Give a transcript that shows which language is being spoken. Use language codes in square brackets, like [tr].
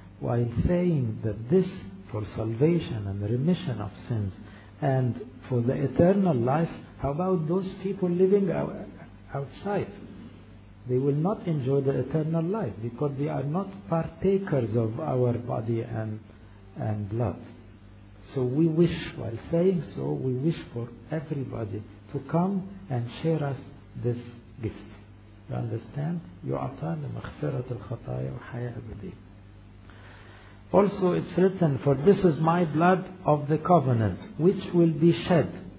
[en] While saying that this for salvation and remission of sins and for the eternal life, how about those people living outside? They will not enjoy the eternal life because they are not partakers of our body and blood. So we wish, while saying so, we wish for everybody to come and share us this gift. You understand? [ar] يُعطَى لِمَغْفِرَةِ الْخَطَايَا وَحَيَا أَبَدِيَا. [en] Also it's written, for this is my blood of the covenant, which will be shed.